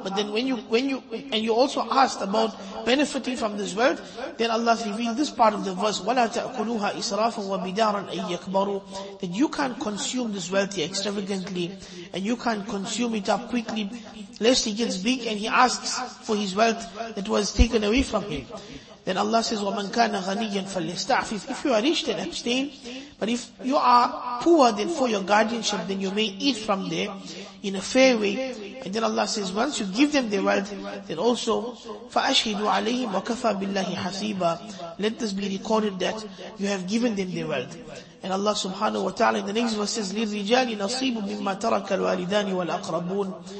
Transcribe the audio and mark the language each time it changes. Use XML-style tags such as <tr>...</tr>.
<en>But then when you also asked about benefiting from this wealth, then Allah revealed this part of the verse,</en> <ar>وَلَا تَأْكُلُوهَا إِسْرَافًا وَبِدَارًا أَن يَكْبَرُوا.</ar> <en>That you can't consume this wealth extravagantly, and you can't consume it up quickly, lest he gets big and he asks for his wealth that was taken away from him. Then Allah says,</en> <ar>وَمَنْ كَانَ غَنِيًّا فَلْيَسْتَعْفِفْ.</ar> <en>If you are rich, then abstain. But if you are poor, then for your guardianship, then you may eat from there in a fair way. And then Allah says, once you give them their wealth, then also,</en> <ar>فَأَشْهِدُوا عَلَيْهِمْ وَكَفَى بِاللَّهِ حَسِيبًا.</ar> <en>Let this be recorded that you have given them their wealth. And Allah subhanahu wa ta'ala in the next verse says,</en> <ar>لِلْرِجَالِ نَصِيبُ مِمَّا تَرَكَ الْوَالِدَانِ وَالْأَقْرَبُونَ.</ar>